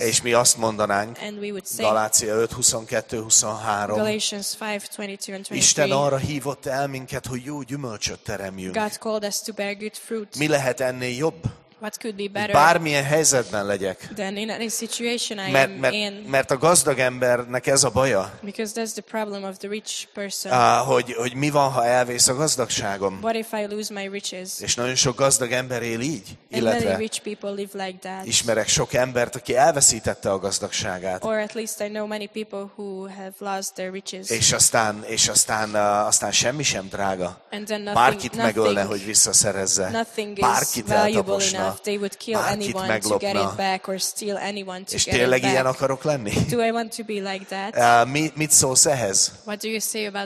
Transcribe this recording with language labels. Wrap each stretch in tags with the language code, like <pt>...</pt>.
<hu>És mi azt mondanánk, Galácia 5:22-23,</hu> <en>Galatians 5:22-23,</en> <hu>Isten arra hívott el minket, hogy jó gyümölcsöt teremjünk.</hu> <en>God called us to bear good fruit.</en> <hu>Mi lehet ennél jobb?</hu> <en>What could be better?</en> <hu>Bármilyen helyzetben legyek.</hu> <en>Then in any situation I</en> <hu>mert a gazdag embernek ez a baja.</hu> <en>Because that's the problem of the rich person.</en> <hu>Hogy mi van, ha elvész a gazdagságom?</hu> <en>What if I lose my riches?</en> <hu>És nagyon sok gazdag ember él így,</hu> <en>and</en> <hu>illetve</hu> <en>many rich people live like that.</en> <hu>Ismerek sok embert, aki elveszítette a gazdagságát.</hu> <en>Or at least I know many people who have lost their riches.</en> <hu>És aztán semmi sem drága.</hu> <en>And then nothing,</en> <hu>bárkit megölne, hogy visszaszerezze.</hu> <en>Nothing is</en> <hu>bárkit</hu> <en>valuable</en> <hu>eltaposna.</hu> <en>They would kill anyone</en> <hu>meglopna.</hu> <en>To get it back or steal anyone to</en> <hu>És tényleg ilyen akarok lenni?</hu> <en>Do I want to be like that?</en> <hu>Mit szólsz ehhez?</hu> <en>What do you say about</en>